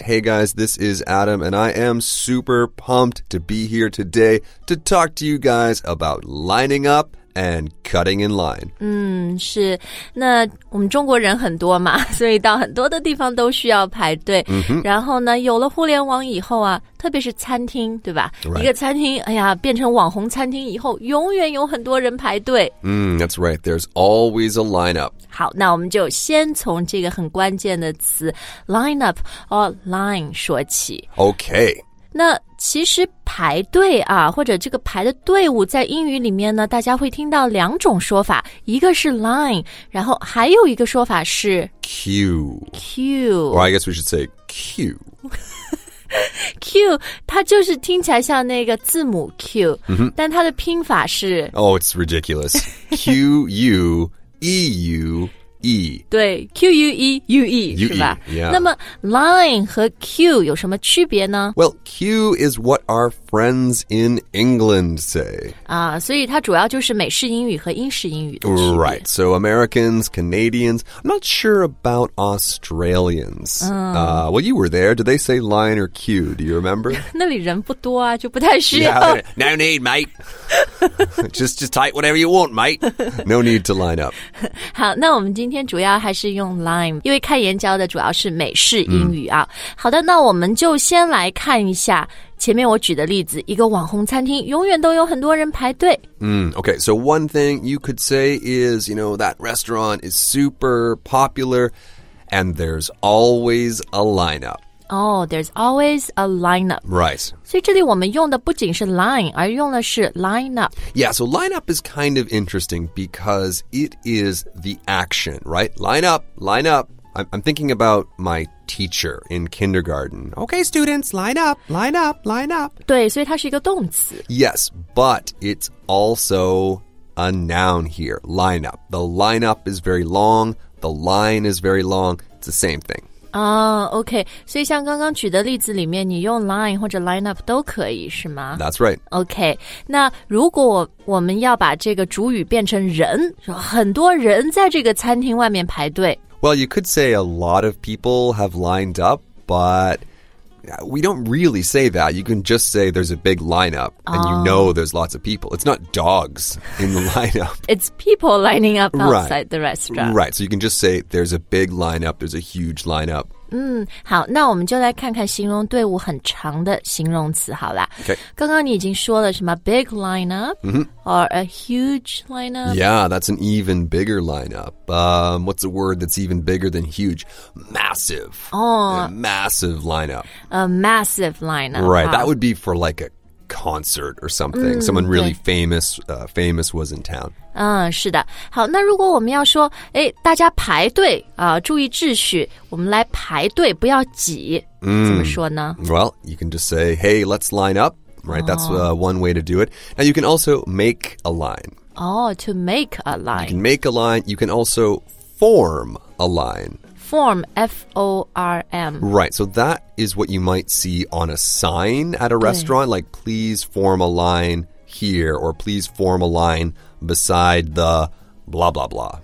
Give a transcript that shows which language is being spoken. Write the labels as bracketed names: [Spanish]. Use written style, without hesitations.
[English] Hey guys, this is Adam and I am super pumped to be here today to talk to you guys about lining up and cutting in line. [Chinese] 是，那我们中国人很多嘛，所以到很多的地方都需要排队。然后呢，有了互联网以后啊，特别是餐厅，对吧？ [English] Right. [Chinese] 一个餐厅，哎呀，变成网红餐厅以后，永远有很多人排队。 [English] That's right. There's always a lineup. [Chinese] 好，那我们就先从这个很关键的词 [English] lineup or line [Chinese] 说起。 [English] Okay. [Chinese] 那其实排队啊，或者这个排的队伍，在英语里面呢，大家会听到两种说法，一个是 line， 然后还有一个说法是 [English] queue。 queue， or I guess we should say queue。 [Chinese] queue， 它就是听起来像那个字母 Q，但它的拼法是 [English] oh， it's ridiculous， Q U E U。 E. [Chinese] 对 Q-U-E-U-E, [English] U-E [Chinese] 是吧、 [English] yeah. [Chinese] 那么 line 和 queue 有什么区别呢 [English] Well, queue is what our friends in England say、 [Chinese] 所以它主要就是美式英语和英式英语的区别 [English] Right, so Americans, Canadians I'm not sure about Australians、Well, you were there, did they say line or queue, do you remember? [Chinese] 那里人不多啊就不太需要 [English] yeah, No need, mate just type whatever you want, mate No need to line up [Chinese] 好那我们今天主要还是用 line 因为开言教的主要是美式英语啊。好的那我们就先来看一下前面我举的例子一个网红餐厅永远都有很多人排队 [English] Okay, so one thing you could say is you know, that restaurant is super popular and there's always a lineup Oh, there's always a lineup Right [Chinese] 所以这里我们用的不仅是 line 而用的是 lineup [English] Yeah, so lineup is kind of interesting because it is the action, right? Line up I'm thinking about my teacher in kindergarten Okay, students, line up [Chinese] 对,所以它是一个动词 [English] Yes, but it's also a noun here, lineup The lineup is very long, the line is very long It's the same thing [Chinese] OK, 所以像刚刚举的例子里面你用 line 或者 line up 都可以是吗 [English] That's right [Chinese] OK, 那如果我们要把这个主语变成人很多人在这个餐厅外面排队 [English] Well, you could say a lot of people have lined up, but we don't really say that You can just say there's a big lineup and you know there's lots of people It's not dogs in the lineup It's people lining up outside right, the restaurant Right, so you can just say there's a big lineup There's a huge lineup [Chinese] 好那我们就来看看形容队伍很长的形容词好了、 [English] okay. [Chinese] 刚刚你已经说了什么 [English] big lineup、or a huge lineup Yeah, that's an even bigger lineup What's a word that's even bigger than huge? Massive A massive lineup Right, that would be for like a concert or something Someone really famous was in town [Chinese] 是的好那如果我们要说哎大家排队啊、注意秩序我们来排队不要挤、怎么说呢 [English] Well, you can just say Hey, let's line up Right, that's one way to do it And you can also make a line to make a line You can make a line You can also form a line Form, F-O-R-M. Right, so that is what you might see on a sign at a restaurant, like please form a line here, or please form a line beside the blah blah blah.